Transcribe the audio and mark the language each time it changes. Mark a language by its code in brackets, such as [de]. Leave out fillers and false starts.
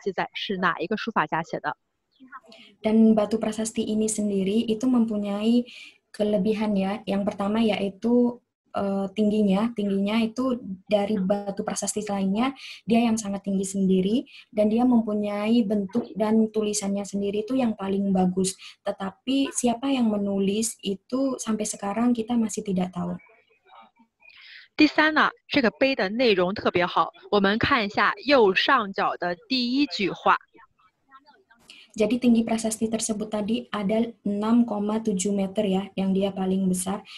[zh] 这个碑最好呢有三个特点。第一，从上到下，我们测量过，它是有6.7米，是最高的。第二呢，字迹很漂亮，全部都是正楷写的，但是并没有记载是哪一个书法家写的。 [id] Dan batu prasasti ini sendiri itu mempunyai kelebihan ya. Yang pertama yaitu tingginya itu dari batu prasasti lainnya, dia yang sangat tinggi sendiri, dan dia mempunyai bentuk dan tulisannya sendiri itu yang paling bagus. Tetapi siapa yang menulis itu sampai sekarang kita masih tidak tahu. [zh] 第三呢，这个碑的内容特别好，我们看一下右上角的第一句话。 [id] Jadi tinggi prasasti tersebut tadi ada 6,7 meter ya, yang dia paling besar.